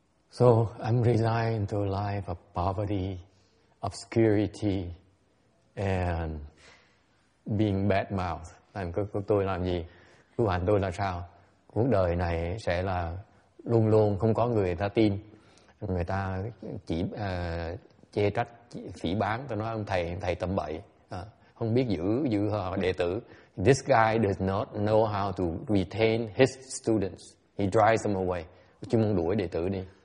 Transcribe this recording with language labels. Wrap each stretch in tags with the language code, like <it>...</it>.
<en>So I'm resigned to a life of poverty, obscurity, and being bad mouth.</en> <vi>Làm cái tôi làm gì? Cứu hành tôi là sao? Cuộc đời này sẽ là luôn luôn không có người ta tin. Người ta chỉ chê trách, phỉ báng. Tôi nói ông thầy tầm bậy. Không biết giữ họ đệ tử.</vi> <en>This guy does not know how to retain his students. He drives them away.</en> <vi>Chứ muốn đuổi đệ tử đi.</vi>